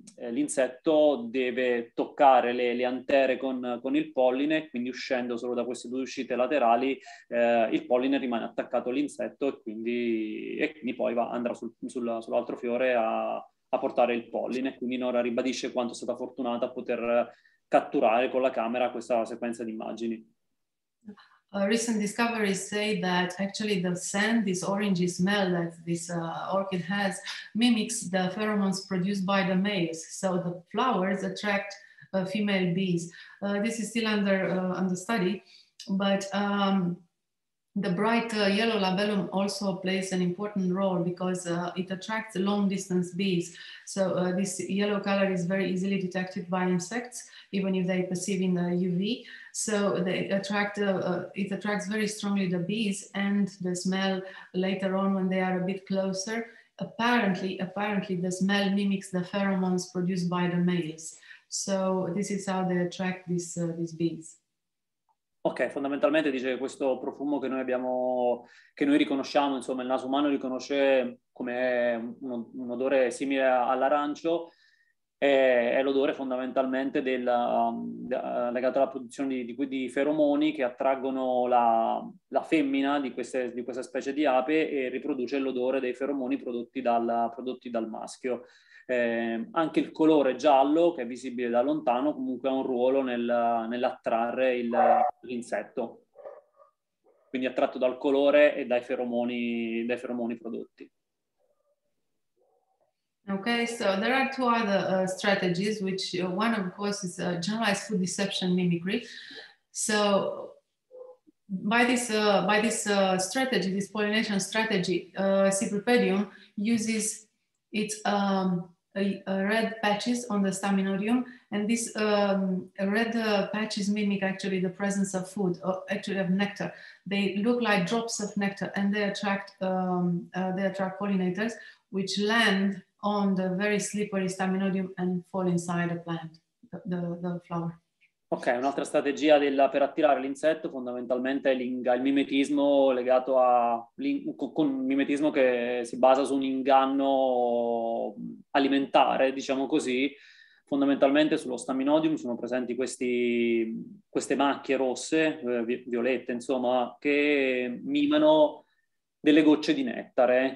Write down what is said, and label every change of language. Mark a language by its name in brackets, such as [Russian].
[Italian] l'insetto deve toccare le antere con il polline, quindi uscendo solo da queste due uscite laterali il polline rimane attaccato all'insetto e quindi poi andrà sull'altro fiore a portare il polline. Quindi Nora ribadisce quanto è stata fortunata a poter catturare con la camera questa sequenza di immagini. [English] Recent discoveries say that actually the scent, this orangey smell that this orchid has, mimics the pheromones produced by the males. So the flowers attract female bees. This is still under study, but the bright yellow labellum also plays an important role because it attracts long distance bees. So this yellow color is very easily detected by insects, even if they perceive in the UV. So they attract, it attracts very strongly the bees, and the smell later on when they are a bit closer, apparently the smell mimics the pheromones produced by the males. So this is how they attract these bees. [Italian] Ok, fondamentalmente dice che questo profumo che noi riconosciamo, insomma il naso umano riconosce come un odore simile all'arancio, è l'odore fondamentalmente legato alla produzione di feromoni che attraggono la femmina di questa specie di ape, e riproduce l'odore dei feromoni prodotti dal maschio. Anche il colore giallo, che è visibile da lontano, comunque ha un ruolo nell'attrarre l'insetto, quindi attratto dal colore e dai feromoni prodotti. [English] Okay, so there are two other strategies, which one of course is generalized food deception mimicry. So by this strategy, this pollination strategy, Cypripedium uses its red patches on the staminodium, and this red patches mimic actually the presence of food, or actually of nectar. They look like drops of nectar, and they attract pollinators, which land on the very slippery staminodium and fall inside the plant, the flower. [Italian] Ok, un'altra strategia per attirare l'insetto fondamentalmente è il mimetismo legato a con mimetismo che si basa su un inganno alimentare, diciamo così. Fondamentalmente sullo staminodium sono presenti queste macchie rosse, violette, insomma, che mimano delle gocce di nettare.